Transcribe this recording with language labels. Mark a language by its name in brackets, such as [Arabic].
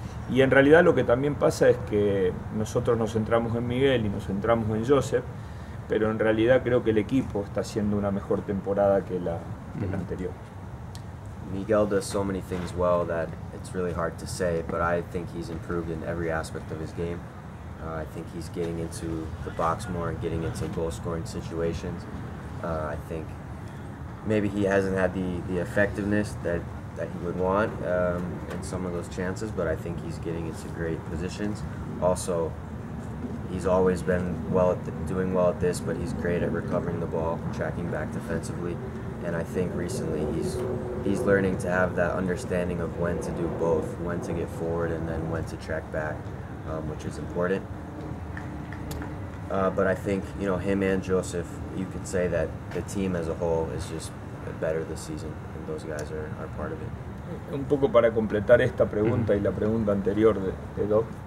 [Spanish] Y en realidad lo que también pasa es que nosotros nos centramos en Miguel y nos centramos en Joseph, pero en realidad creo que el equipo está haciendo una mejor temporada que la anterior. [English] Miguel does so many things well that it's really hard to say, but I think he's improved in every aspect of his game. I think he's getting into the box more and getting into goal-scoring situations. I think maybe he hasn't had the effectiveness that he would want in some of those chances, but I think he's getting into great positions. Also, he's always been doing well at this, but he's great at recovering the ball, tracking back defensively. And I think recently he's learning to have that understanding of when to do both, when to get forward and then when to track back, which is important. But I think, you know, him and Joseph, you could say that the team as a whole is just better this season, and those guys are part of it. [Spanish] Un poco para completar esta pregunta y la pregunta anterior de Doc.